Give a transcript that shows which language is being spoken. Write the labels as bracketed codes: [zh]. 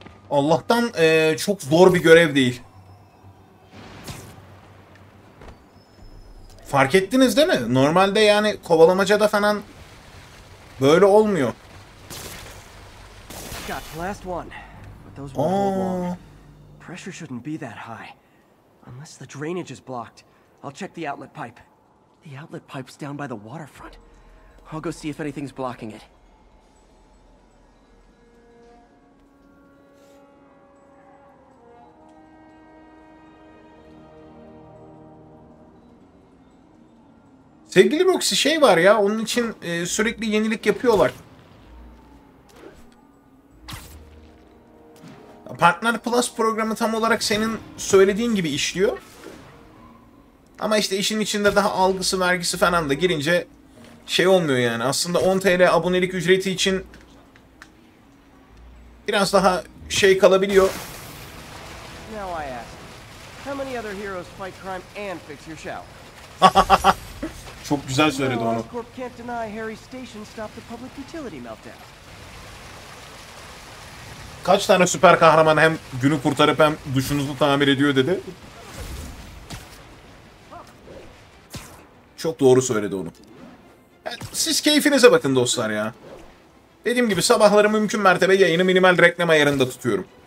[tr] Allah'tan çok zor bir görev değil. Fark ettiniz değil mi? Normalde yani kovalamacada falan böyle olmuyor. [en] Got last one. But those won't. Pressure shouldn't be that high. Unless the drainage is blocked. I'll check the outlet pipe. The outlet pipe's down by the waterfront. I'll go see if anything's blocking it. [tr] Sevgili Roxy, şey var ya, onun için sürekli yenilik yapıyorlar. Partner Plus programı tam olarak senin söylediğin gibi işliyor. Ama işte işin içinde daha algısı vergisi falan da girince şey olmuyor yani. Aslında 10 TL abonelik ücreti için biraz daha şey kalabiliyor. [en] Now I ask, how many other heroes fight crime and fix your shower? [tr] Çok güzel söyledi onu. [en] Oscorp can't deny Harry Station stopped the public utility meltdown. [tr] Kaç tane süper kahraman hem günü kurtarıp hem duşunuzu tamir ediyor dedi. Çok doğru söyledi onu. Siz keyfinize bakın dostlar ya. Dediğim gibi sabahları mümkün mertebe yayını minimal reklam ayarında tutuyorum.